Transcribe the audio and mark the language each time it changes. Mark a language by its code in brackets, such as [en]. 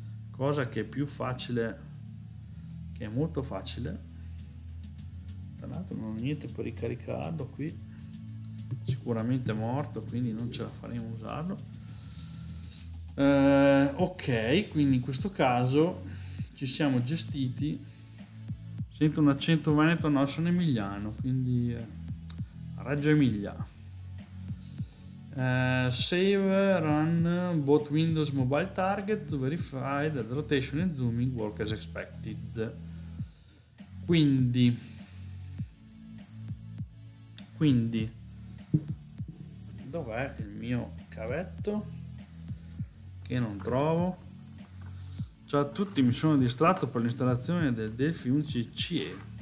[it] Cosa che è più facile, che è molto facile, tra l'altro non ho niente per ricaricarlo qui, sicuramente morto, quindi non ce la faremo a usarlo. Ok, quindi in questo caso ci siamo gestiti. Sento un accento veneto, no, sono emiliano, quindi Reggio Emilia. [en] Save, run both Windows mobile target to verify that rotation and zooming work as expected. [it] Quindi dov'è il mio cavetto che non trovo? Ciao a tutti, mi sono distratto per l'installazione del Delphi 11 CE.